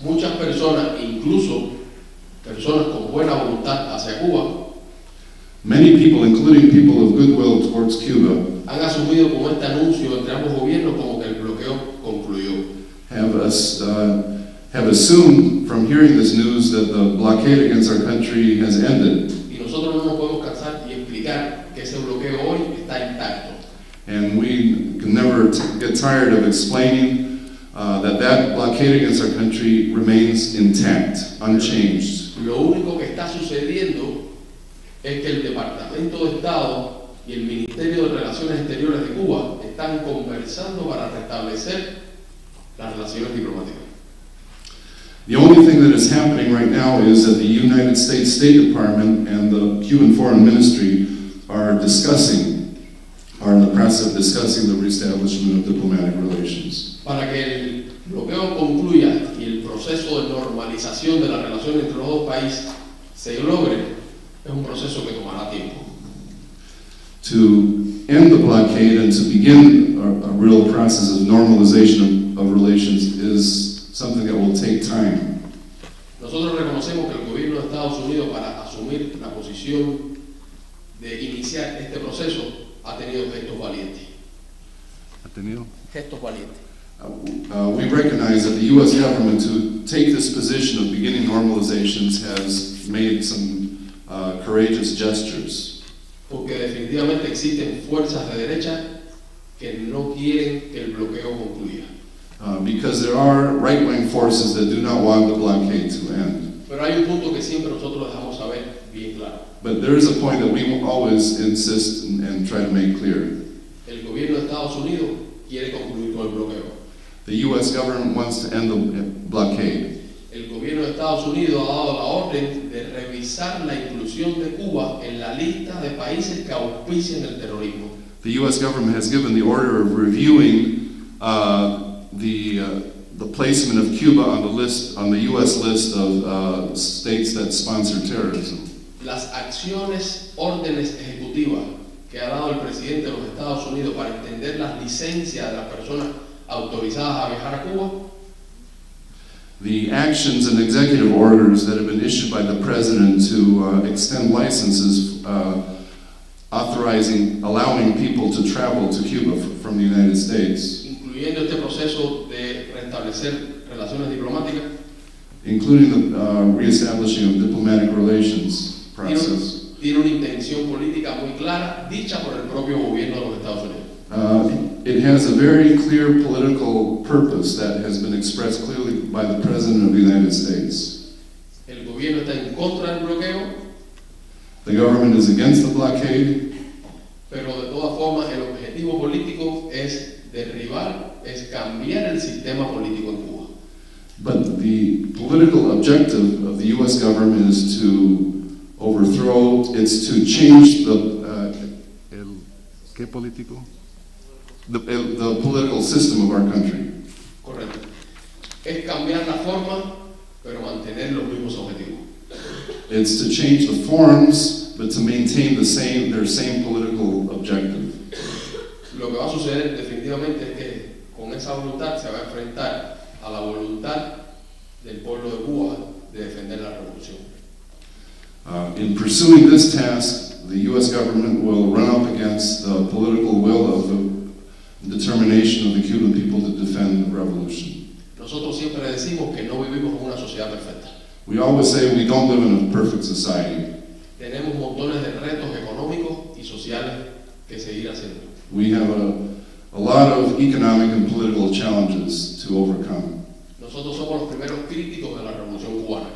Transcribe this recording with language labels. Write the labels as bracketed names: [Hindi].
[Spanish] Muchas personas, incluso personas con buena voluntad hacia Cuba, [English] many people, including people of goodwill towards Cuba, [Spanish] han asumido como este anuncio entre ambos gobiernos como que el bloqueo concluyó. [English] Have assumed from hearing this news that the blockade against our country has ended. [Spanish] Y nosotros no nos podemos cansar y explicar que ese bloqueo hoy está intacto. [English] And we can never get tired of explaining that blockade against our country remains intact, unchanged. [Spanish] Lo único que está sucediendo es que el Departamento de Estado y el Ministerio de Relaciones Exteriores de Cuba están conversando para restablecer las relaciones diplomáticas. [English] The only thing that is happening right now is that the United States State Department and the Cuban Foreign Ministry are in the process of discussing the reestablishment of diplomatic relations. [Spanish] Para que el bloqueo concluya y el proceso de normalización de la relación entre los dos países se logre, es un proceso que tomará tiempo. [English] To end the blockade and to begin a real process of normalization of relations is something that will take time. [Spanish] Nosotros reconocemos que el gobierno de Estados Unidos para asumir la posición de iniciar este proceso ha tenido gestos valientes. ¿Ha tenido? Gestos valientes. [English] We recognize that the U.S. government to take this position of beginning normalizations has made some courageous gestures. [Spanish] Porque definitivamente existen fuerzas de derecha que no quieren que el bloqueo concluya. [English] Because there are right-wing forces that do not want the blockade to end. [Spanish] Pero hay un punto que siempre nosotros dejamos saber bien claro. [English] But there is a point that we will always insist and try to make clear. [Spanish] El gobierno de Estados Unidos quiere concluir con el bloqueo. [English] The U.S. government wants to end the blockade. [Spanish] El gobierno de Estados Unidos ha dado la orden de revisar la inclusión de Cuba en la lista de países que auspician el terrorismo. [English] The U.S. government has given the order of reviewing the placement of Cuba on the list, on the U.S. list of states that sponsor terrorism. [Spanish] Las acciones, órdenes ejecutivas que ha dado el presidente de los Estados Unidos para extender las licencias de las personas autorizadas a viajar a Cuba. [English] The actions and executive orders that have been issued by the president to extend licenses authorizing, allowing people to travel to Cuba from the United States. [Spanish] Incluyendo este proceso de restablecer relaciones diplomáticas. [English] Including the reestablishing of diplomatic relations process. [Spanish] Tiene una intención política muy clara, dicha por el propio gobierno de los Estados Unidos. [English] It has a very clear political purpose that has been expressed clearly by the President of the United States. [Spanish] El gobierno está en contra del bloqueo. [English] The government is against the blockade. [Spanish] Pero de todas formas, el objetivo político es derribar, es cambiar el sistema político en Cuba. [English] But the political objective of the U.S. government is to overthrow, it's to change the [Spanish] ¿qué político? [English] The political system of our country. [Spanish] Correcto. Es cambiar la forma, pero mantener los mismos objetivos. [English] It's to change the forms, but to maintain the same, their same political objective. [Spanish] Lo que va a suceder definitivamente es que con esa voluntad se va a enfrentar a la voluntad del pueblo de Cuba de defender la revolución. [English] In pursuing this task, the U.S. government will run up against the political will of the determination of the Cuban people to defend the revolution. [Spanish] Nosotros siempre decimos que no vivimos en una sociedad perfecta. [English] We always say we don't live in a perfect society. [Spanish] Tenemos montones de retos económicos y sociales que seguir haciendo. [English] We have a lot of economic and political challenges to overcome. [Spanish] Nosotros somos los primeros críticos de la revolución cubana.